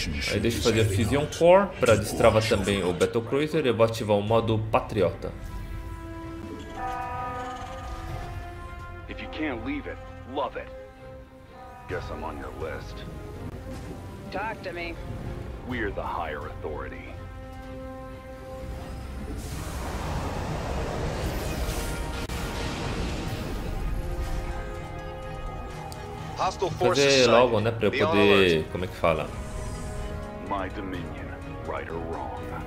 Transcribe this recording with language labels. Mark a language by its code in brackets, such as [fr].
[pt] Aí deixa eu fazer a Fission Core pra destravar também o Battlecruiser. Eu vou ativar o modo Patriota. [en] If you can't leave it, love it. Guess I'm on your list. Talk to me. We're the higher authority. Hostile forces [pt] logo, né, pra eu poder, como é que fala? [en] My dominion, right or wrong.